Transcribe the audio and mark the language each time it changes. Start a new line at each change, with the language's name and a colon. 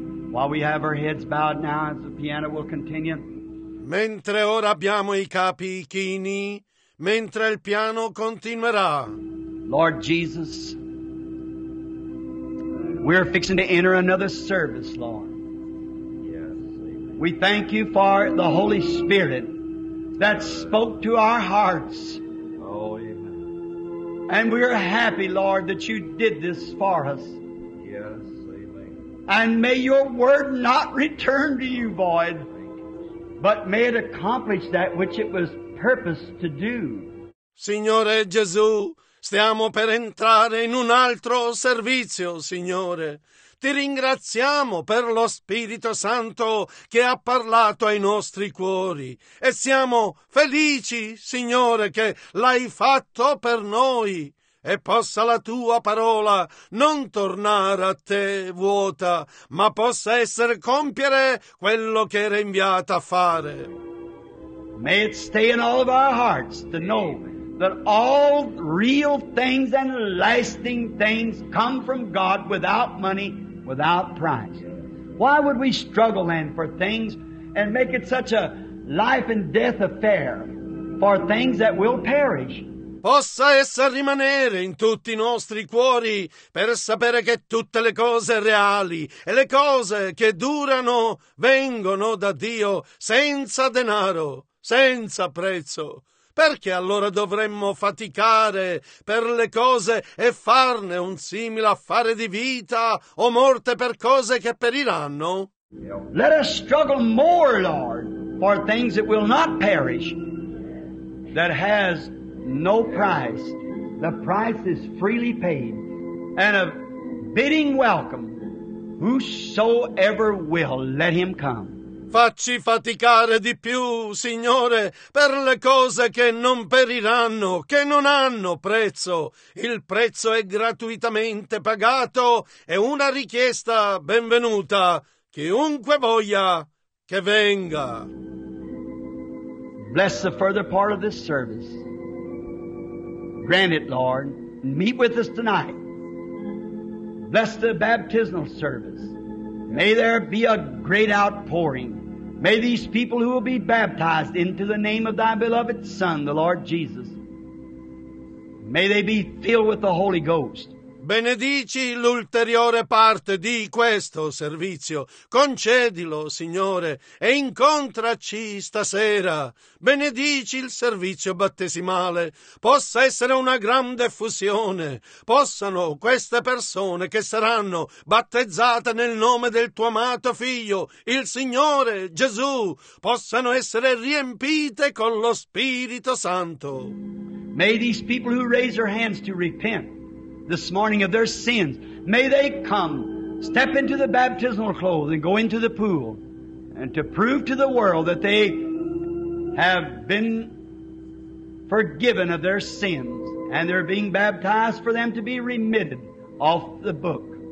English: While we have our heads bowed now, as the piano will continue.
Italian: Mentre ora abbiamo i capi chini, mentre il piano continuerà.
English: Lord Jesus, we're fixing to enter another service, Lord. We thank you for the Holy Spirit that spoke to our hearts. Oh, amen. And we are happy, Lord, that you did this for us. Yes, amen. And may your word not return to you void, but may it accomplish that which it was purposed to do.
Italian: Signore Gesù, stiamo per entrare in un altro servizio, Signore. Ti ringraziamo per lo Spirito Santo che ha parlato ai nostri cuori e siamo felici, Signore, che l'hai fatto per noi e possa la Tua parola non tornare a Te vuota, ma possa essere compiere quello che era inviata a fare.
English: May it stay in all of our hearts to know that all real things and lasting things come from God without money, without price. Why would we struggle then for things and make it such a life and death affair for things that will perish?
Italian: Possa essa rimanere in tutti i nostri cuori per sapere che tutte le cose reali e le cose che durano vengono da Dio senza denaro, senza prezzo. Perché allora dovremmo faticare per le cose e farne un simile affare di vita o morte per cose che periranno?
English: Let us struggle more, Lord, for things that will not perish, that has no price. The price is freely paid, and a bidding welcome, whosoever will, let him come.
Italian: Facci faticare di più, Signore, per le cose che non periranno, che non hanno prezzo. Il prezzo è gratuitamente pagato e una richiesta benvenuta. Chiunque voglia che venga.
English: Bless the further part of this service. Grant it, Lord. Meet with us tonight. Bless the baptismal service. May there be a great outpouring. May these people who will be baptized into the name of thy beloved Son, the Lord Jesus, may they be filled with the Holy Ghost.
Italian: Benedici l'ulteriore parte di questo servizio. Concedilo, Signore, e incontraci stasera. Benedici il servizio battesimale. Possa essere una grande effusione. Possano queste persone che saranno battezzate nel nome del tuo amato Figlio, il Signore Gesù, possano essere riempite con lo Spirito Santo.
English: May these people who raise their hands to repent this morning of their sins, may they come, step into the baptismal clothes and go into the pool and to prove to the world that they have been forgiven of their sins, and they're being baptized for them to be remitted off the book.